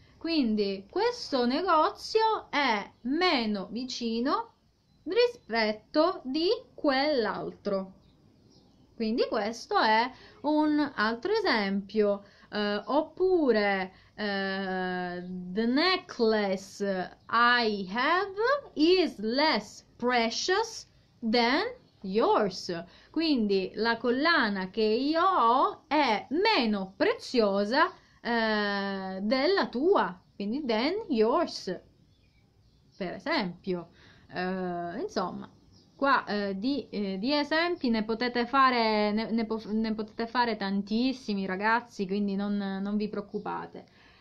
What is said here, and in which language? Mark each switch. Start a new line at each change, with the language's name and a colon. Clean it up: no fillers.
Italian: Quindi questo negozio è meno vicino rispetto di quell'altro. Quindi questo è un altro esempio.
English: Oppure, the necklace I have is less precious than yours.
Italian: Quindi la collana che io ho è meno preziosa, della tua. Quindi
English: than yours,
Italian: per esempio. Insomma, qua di esempi ne potete fare tantissimi, ragazzi, quindi non vi preoccupate.